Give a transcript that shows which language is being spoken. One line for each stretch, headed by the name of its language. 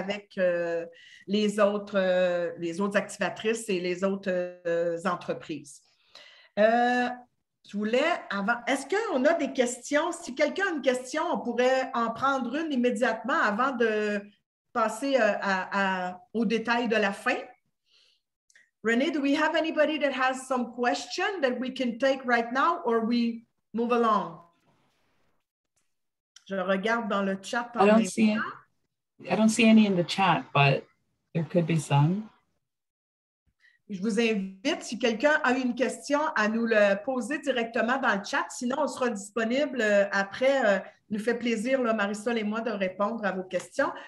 French: avec les autres activatrices et les autres entreprises. Je voulais avant. Est-ce qu'on a des questions? Si quelqu'un a une question, on pourrait en prendre une immédiatement avant de passer au détail de la fin.
English: René, do we have anybody that has some question that we can take right now or we move along?
French: Je regarde dans le chat.
English: I don't see any in the chat, but there could be some.
French: Je vous invite, si quelqu'un a une question, à nous le poser directement dans le chat. Sinon, on sera disponible après. Nous fait plaisir, là, Marisol et moi, de répondre à vos questions.